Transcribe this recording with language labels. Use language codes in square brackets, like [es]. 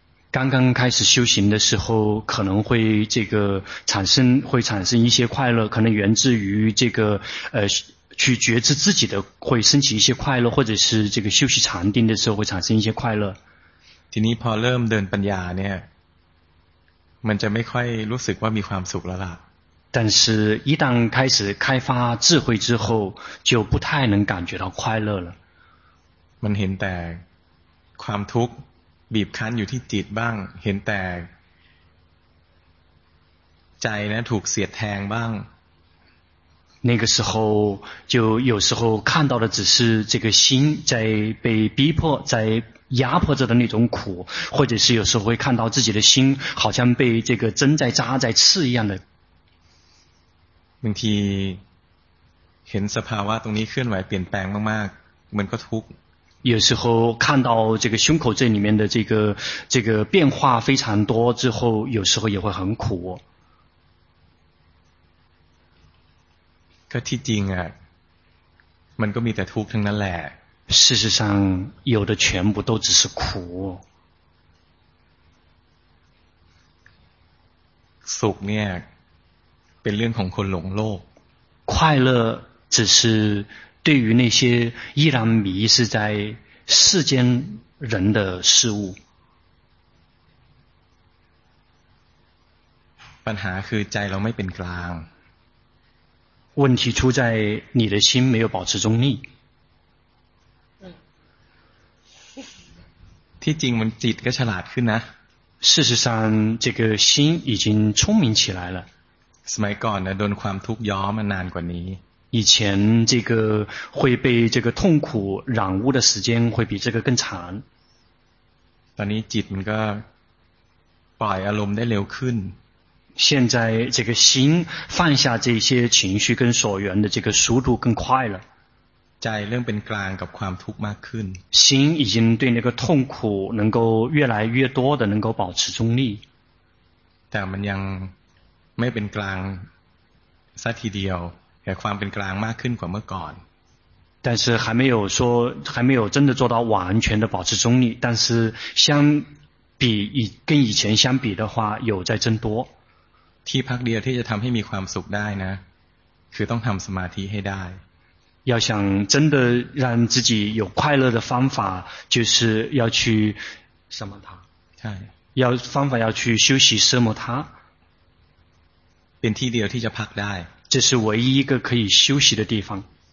[zh] 刚刚开始修行的时候可能会这个产生一些快乐可能源自于这个去觉知自己的会升起一些快乐或者是这个休息禅定的时候会产生一些快乐。 [th] ทีนี้พอเริ่มเดินปัญญาเนี่ยมันจะไม่ค่อยรู้สึกว่ามีความสุขแล้วล่ะ。 [zh] 但是一旦开始开发智慧之后就不太能感觉到快乐了。 [th] มันเห็นแต่ความทุกข์บีบคั้นอยู่ที่จิตบ้างเห็นแต่ใจนะถูกเสียดแทงบ้าง [zh] 那个时候就有时候看到的只是这个心在被逼迫在压迫着的那种苦或者是有时候会看到自己的心好像被这个针在扎在刺一样的 [th] บางทีเห็นสภาวะตรงนี้เคลื่อนไหวเปลี่ยนแปลงมากๆมันก็ทุกข์ [zh] 有时候看到这个胸口这里面的这个变化非常多之后有时候也会很苦 [th] ก็ที่จริงอ่ะมันก็มีแต่ทุกข์ทั้งนั้นแหละ [zh] 事实上有的全部都只是苦 [th] สุขเนี่ยเป็นเรื่องของคนหลงโลก [zh] 快乐只是对于那些依然迷失在世间人的事物 [th] ปัญหาคือใจเราไม่เป็นกลาง [zh] 问题出在你的心没有保持中立 [th] ที่จริงมันจิตก็ฉลาดขึ้นนะ [zh] 事实上这个心已经聪明起来了 [th] สมัยก่อนนะโดนความทุกข์ย้อมมานานกว่านี้ [zh] 以前这个会被这个痛苦染污的时间会比这个更长 [th] ตอนนี้จิตมันก็ปล่อยอารมณ์ได้เร็วขึ้น [zh] 现在这个心放下这些情绪跟所缘的这个速度更快了 [th] ใจเริ่มเป็นกลางกับความทุกข์มากขึ้น [zh] 心已经对那个痛苦能够越来越多的能够保持中立 [th] แต่มันยังไม่เป็นกลางสักทีเดียวแต่ความเป็นกลางมากขึ้นกว่าเมื่อก่อน [zh] 但是还没有真的做到完全的保持中立但是相比跟以前相比的话有在增多 [th] ที่พักเดียวที่จะทำให้มีความสุขได้นะคือต้องทำสมาธิให้ได้ [zh] 要想真的让自己有快乐的方法就是要去什么他要方法要去休息什么他 [th] เป็นที่เดียวที่จะพักได้ [zh] 这是唯一一个可以休息的地方